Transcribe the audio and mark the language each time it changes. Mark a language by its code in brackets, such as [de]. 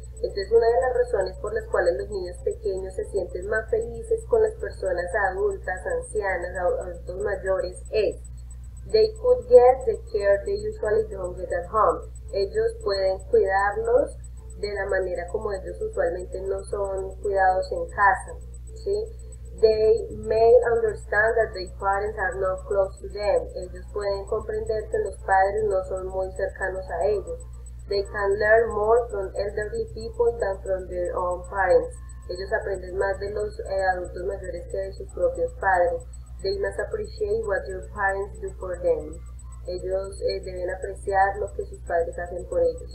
[es] Entonces, una de las razones por las cuales los niños pequeños se sienten más felices con las personas adultas, ancianas, adultos mayores, es, [en] "They could get the care they usually don't get at home." [es] Ellos pueden cuidarlos de la manera como ellos usualmente no son cuidados en casa, ¿sí? [en] "They may understand that their parents are not close to them." [es] Ellos pueden comprender que los padres no son muy cercanos a ellos. [en] "They can learn more from elderly people than from their own parents." [es] Ellos aprenden más de los adultos mayores que de sus propios padres. [en] "They must appreciate what their parents do for them." [es] Ellos deben apreciar lo que sus padres hacen por ellos.